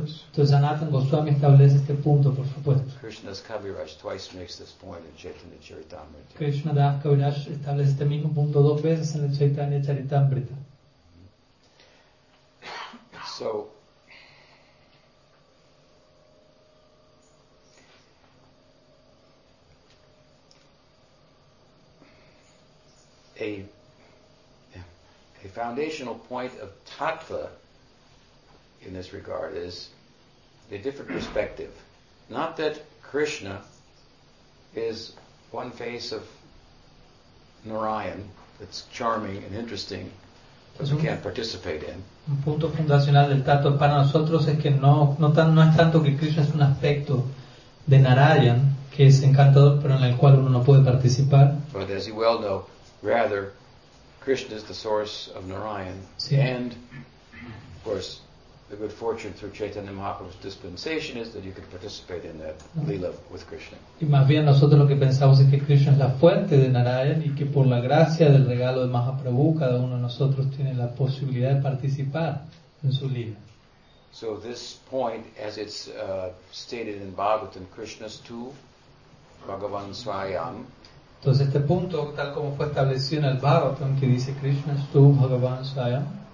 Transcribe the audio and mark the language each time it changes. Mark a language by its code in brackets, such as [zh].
[es] Entonces Anathan Goswami establece este punto, por supuesto. [en] Krishna Das Kaviraj twice makes this point in Chaitanya Charitamrita. [es] Krishna Das Kaviraj establece este mismo punto dos veces en el Chaitanya Charitamrita. [en] So a foundational point of tattva in this regard is a different perspective. Not that Krishna is one face of Narayan that's charming and interesting that we can't participate in. [es] Un punto fundacional del tattva para nosotros es que no es tanto que Krishna es un aspecto de Narayan que es encantador pero en el cual uno no puede participar. [en] But as you well know, rather, Krishna is the source of Narayan, [es] sí. [en] And of course, the good fortune through Chaitanya Mahaprabhu's dispensation is that you can participate in that lila with Krishna. [es] Y más bien nosotros lo que pensamos es que Krishna es la fuente de Narayan y que por la gracia del regalo de Mahaprabhu cada uno de nosotros tiene la posibilidad de participar en su lila. [en] So this point, as it's stated in Bhagavatam, Krishna's tu, Bhagavan Swayam. [es] Entonces este punto, tal como fue establecido en el Bhagavatam, que dice Krishna es tu, Bhagavan Swayam.